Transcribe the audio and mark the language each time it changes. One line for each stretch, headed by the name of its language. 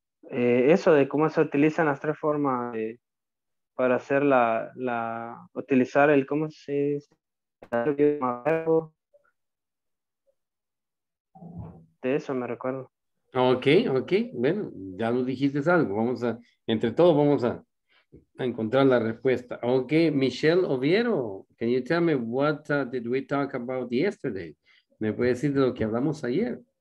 Spanish: eso de cómo se utilizan las tres formas de, para hacer la, la... utilizar el... ¿cómo se dice? De eso me recuerdo. Ok, bueno, ya nos dijiste algo, vamos a, entre todos vamos a encontrar la respuesta.
English: Ok, Michelle Oviero, can you tell me what did we talk about yesterday?
Spanish: ¿Me puedes decir de lo que hablamos ayer?